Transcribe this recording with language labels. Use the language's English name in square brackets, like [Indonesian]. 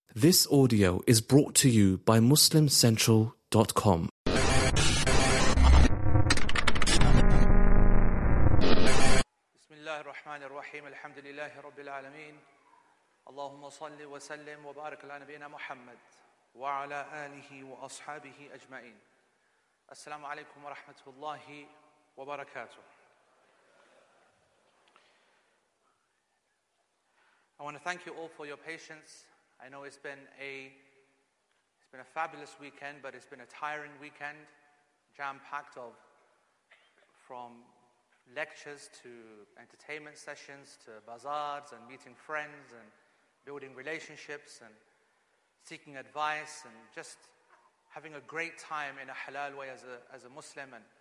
[English] This audio is brought to you by MuslimCentral.com. [Arabic] بسم الله الرحمن الرحيم الحمد لله رب العالمين اللهم صل وسلم وبارك على نبينا محمد وعلى آله وأصحابه أجمعين السلام عليكم ورحمة الله وبركاته. [English] I want to thank you all for your patience. I know it's been a fabulous weekend, but it's been a tiring weekend, jam-packed of from lectures to entertainment sessions to bazaars and meeting friends and building relationships and seeking advice and just having a great time in a halal way as a Muslim.